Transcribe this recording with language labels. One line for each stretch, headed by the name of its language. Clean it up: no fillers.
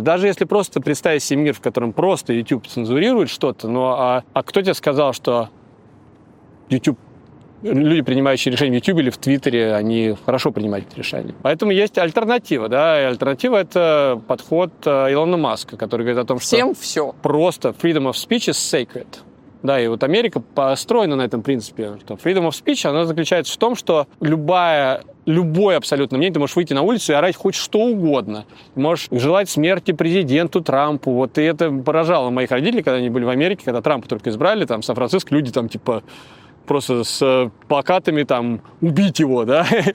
Russian: Даже если просто представить себе мир, в котором просто YouTube цензурирует что-то, ну, а кто тебе сказал, что YouTube, люди, принимающие решения в YouTube или в Твиттере, они хорошо принимают эти решения. Поэтому есть альтернатива, да, и альтернатива — это подход Илона Маска, который говорит о том, всем что все.
English: Просто freedom of speech is sacred.
Russian: Да, и вот Америка построена на этом принципе. Что
English: freedom of speech,
Russian: она заключается в том, что любое абсолютно мнение, ты можешь выйти на улицу и орать хоть что угодно. Можешь желать смерти президенту Трампу. Вот, и это поражало моих родителей, когда они были в Америке, когда Трампа только избрали, там, в Сан-Франциско люди там, типа, просто с плакатами там «убить его», да?